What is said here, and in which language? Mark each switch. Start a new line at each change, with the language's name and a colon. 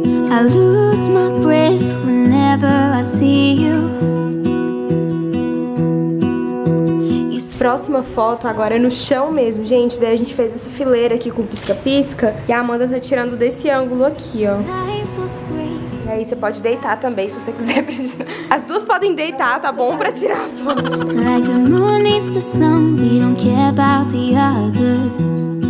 English: I lose my breath whenever I see you.
Portuguese: Próxima foto agora é no chão mesmo, gente. Daí a gente fez essa fileira aqui com pisca-pisca. E a Amanda tá tirando desse ângulo aqui, ó. E aí você pode deitar também, se você quiser. As duas podem deitar, tá bom? Pra tirar a foto.
English: Like the moon needs the sun, we don't care about the others.